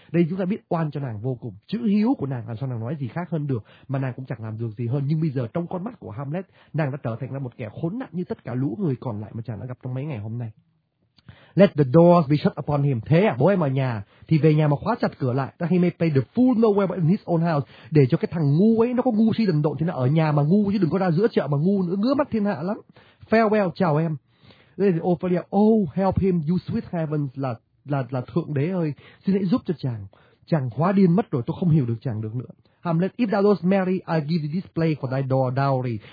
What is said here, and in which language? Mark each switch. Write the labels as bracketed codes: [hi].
[vi] Đây chúng ta biết oan cho nàng vô cùng. Chữ hiếu của nàng làm sao nàng nói gì khác hơn được, mà nàng cũng chẳng làm được gì hơn. Nhưng bây giờ trong con mắt của Hamlet, nàng đã trở thành là một kẻ khốn nạn như tất cả lũ người còn lại mà chàng đã gặp trong mấy ngày hôm nay. [en] Let the doors be shut upon him. [vi] Thế à, bố em ở nhà thì về nhà mà khóa chặt cửa lại. [en] That he may play the fool nowhere but in his own house. [vi] Để cho cái thằng ngu ấy, nó có ngu si đần độn thì nó ở nhà mà ngu, chứ đừng có ra giữa chợ mà ngu nữa, ngứa mắt thiên hạ lắm. Farewell, chào em. Đây thì Ophelia, [en] oh help him, you sweet heavens, [vi] là thượng đế ơi, xin hãy giúp cho chàng. Chàng hóa điên mất rồi, tôi không hiểu được chàng được nữa. Hamlet, [en] if thou dost marry, I give thee this play for thy door dowry.